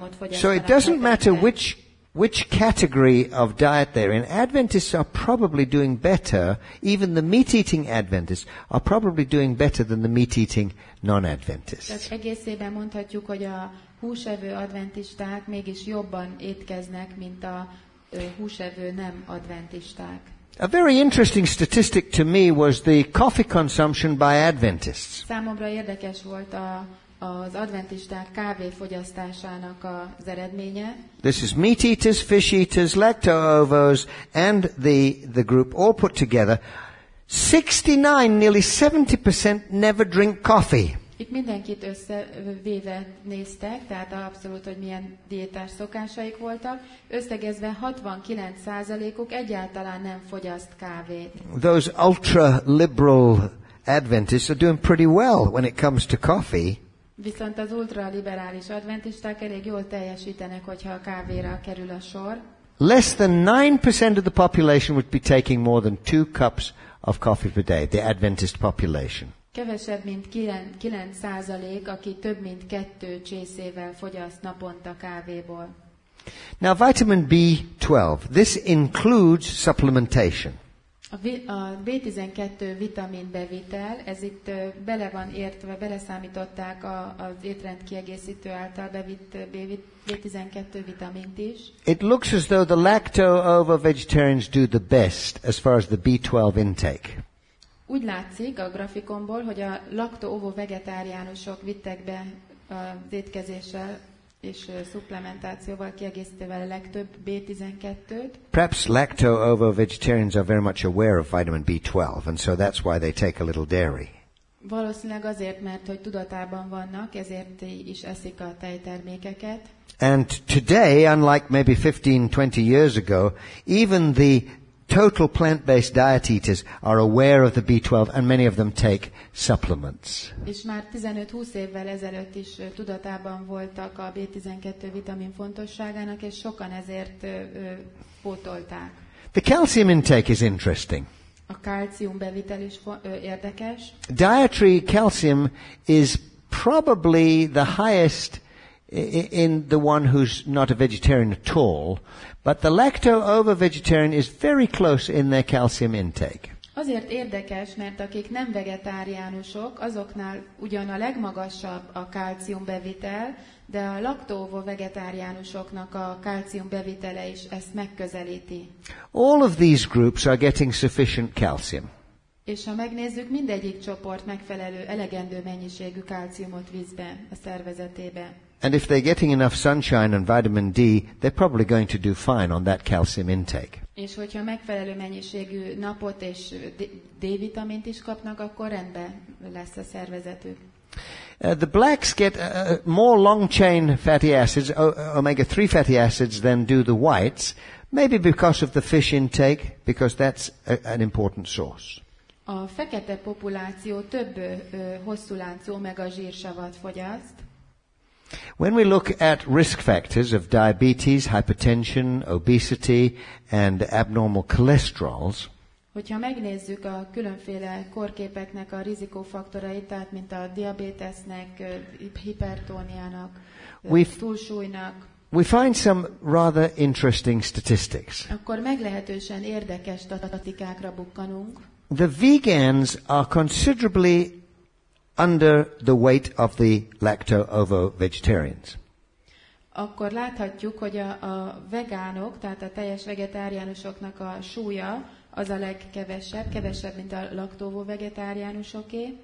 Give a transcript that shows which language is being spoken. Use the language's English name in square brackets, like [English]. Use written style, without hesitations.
[English] So it doesn't matter which category of diet they're in. Adventists are probably doing better. Even the meat-eating Adventists are probably doing better than the meat-eating non-Adventists. [Hungarian] Tehát egészében mondhatjuk, hogy a húsevő adventisták mégis jobban étkeznek, mint a húsevő nem adventisták. [English] A very interesting statistic to me was the coffee consumption by Adventists. [Hungarian] Számomra érdekes volt az adventisták kávé fogyasztásának az eredménye. [English] This is meat eaters, fish eaters, lacto-ovos, and the group all put together. 69, nearly 70% never drink coffee. [Hungarian] Itt mindenkit összevéve néztek, tehát abszolút, hogy milyen diétás szokásaik voltak. Összegezve 69%-uk egyáltalán nem fogyaszt kávét. [English] Those ultra-liberal Adventists are doing pretty well when it comes to coffee. [Hungarian] Viszont az ultraliberális adventisták elég jól teljesítenek, hogyha a kávéra kerül a sor. [English] Less than 9% of the population would be taking more than 2 cups of coffee per day, the Adventist population. [Hungarian] Kevesebb mint 9%, aki több mint 2 csészével fogyaszt naponta kávéból. [English] Now vitamin B12, this includes supplementation. [Hungarian] A B12 vitaminbevitel, ez itt bele van értve, beleszámították az étrend kiegészítő által bevitt B12 vitamint is. [English] It looks as though the lacto-ovo vegetarians do the best as far as the B12 intake. [Hungarian] Úgy látszik a grafikonból, hogy a lacto-ovo vegetáriánusok vittek be az étkezéssel és szupplementációval kiegészítővel a legtöbb B12-t. [English] Perhaps lacto-ovo vegetarians are very much aware of vitamin B12, and so that's why they take a little dairy. [Hungarian] Valószínűleg azért, mert hogy tudatában vannak, ezért is eszik a tejtermékeket. [English] And today, unlike maybe 15-20 years ago, even the total plant-based diet eaters are aware of the B12 and many of them take supplements. [Hungarian] És már 15-20 évvel ezelőtt is tudatában voltak a B12 vitamin fontosságának, és sokan ezért pótolták. [English] The calcium intake is interesting. [Hungarian] A kalcium bevitel is érdekes. [English] Dietary calcium is probably the highest in the one who's not a vegetarian at all, but the lacto-ovo vegetarian is very close in their calcium intake. [Hungarian] Azért érdekes, mert akik nem vegetáriánusok, azoknál ugyan a legmagasabb a kalcium bevitel, de a lacto-ovo vegetáriánusoknak a kalcium bevitele is ezt megközelíti. [English] All of these groups are getting sufficient calcium. [Hungarian] És ha megnézzük, mindegyik csoport megfelelő elegendő mennyiségű kalciumot vízbe a szervezetébe. [English] And if they're getting enough sunshine and vitamin D, they're probably going to do fine on that calcium intake. [Hungarian] És hogyha megfelelő mennyiségű napot és D-vitamint is kapnak, akkor rendben lesz a szervezetük. [English] The blacks get more long chain fatty acids, omega-3 fatty acids, than do the whites, maybe because of the fish intake, because that's an important source. [Hungarian] A fekete populáció több hosszú láncú omega zsírsavat fogyaszt. [English] When we look at risk factors of diabetes, hypertension, obesity, and abnormal cholesterols, [Hungarian] hogyha megnézzük a különféle kórképeknek a rizikófaktorait, tehát mint a diabetesnek, hipertóniának, túlsúlynak, [English] we find some rather interesting statistics. [Hungarian] Akkor meglehetősen érdekes statisztikákra bukkanunk. [English] The vegans are considerably under the weight of the lacto-ovo vegetarians. [Hungarian] Akkor láthatjuk, hogy a vegánok, tehát a teljes vegetáriánusoknak a súlya az a legkevesebb, kevesebb, mint a lacto-ovo vegetáriánusoké.